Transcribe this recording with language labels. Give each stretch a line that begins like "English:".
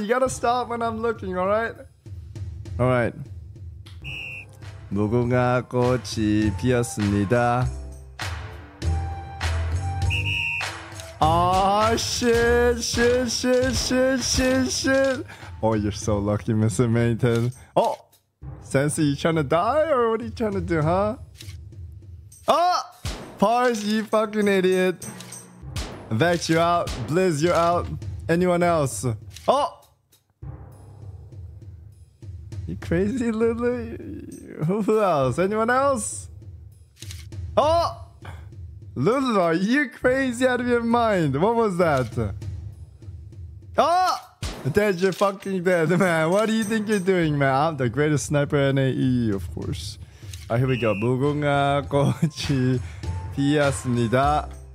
English: You gotta stop when I'm looking, all right? All right.
Korean: 무궁화 꽃이 피었습니다.
English: Oh, shit. Oh, you're so lucky, Mr. Mayton. Oh, Sensei, you trying to die or what are you trying to do, huh? Oh, Parse, you fucking idiot. Vex, you're out. Blizz, you're out. Anyone else? Oh, you crazy, Lulu? Who else? Anyone else? Oh, Lulu, are you crazy out of your mind? What was that? Oh! Dead, you're fucking dead, man. What do you think you're doing, man? I'm the greatest sniper in AE, of course. Alright, here we go.
Korean: 무궁화 꽃이 피었습니다.